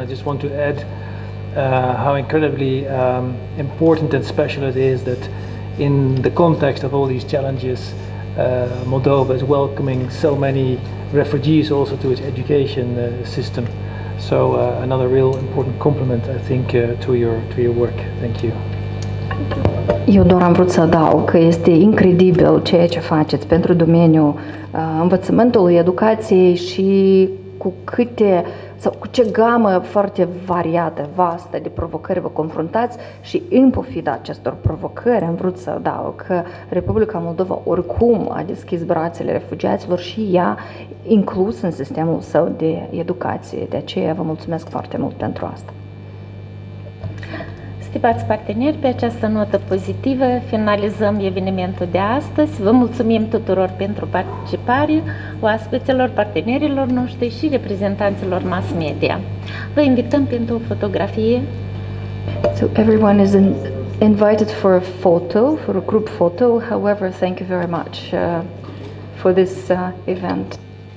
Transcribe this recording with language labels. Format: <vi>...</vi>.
<en>And I just want to add how incredibly important and special it is that in the context of all these challenges, Moldova is welcoming so many refugees also to its education system. So another real important compliment, I think, to your work. Thank you.</en> <ro>Eu doar am vrut să adaug că este incredibil ceea ce faceți pentru domeniul învățământului, educației, și cu câte sau cu ce gamă foarte variată, vastă de provocări vă confruntați, și în pofida acestor provocări am vrut să adaug că Republica Moldova oricum a deschis brațele refugiaților și ea inclus în sistemul său de educație. De aceea vă mulțumesc foarte mult pentru asta. Stimați parteneri, pe această notă pozitivă finalizăm evenimentul de astăzi. Vă mulțumim tuturor pentru participare, oaspeților, partenerilor noștri și reprezentanților mass media. Vă invităm pentru o fotografie.</ro> <en>So everyone is invited for a photo, for a group photo. However, thank you very much for this event.</en>